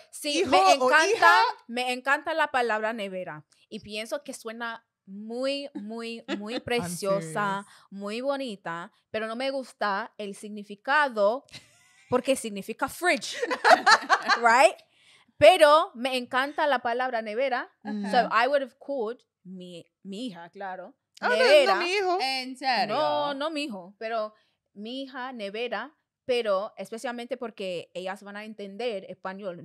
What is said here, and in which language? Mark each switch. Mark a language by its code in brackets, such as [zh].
[es] Sí, hijo me encanta la palabra nevera. Y pienso que suena muy, muy, muy preciosa, muy bonita. Pero no me gusta el significado porque significa fridge. [en] Right? [es] Pero me encanta la palabra nevera. Mm-hmm. [en] So I would have called [es] mi hija, claro. Nevera. No, mi hijo. En serio. No mi hijo. Pero... mi hija nevera, pero especialmente porque ellas van a entender español.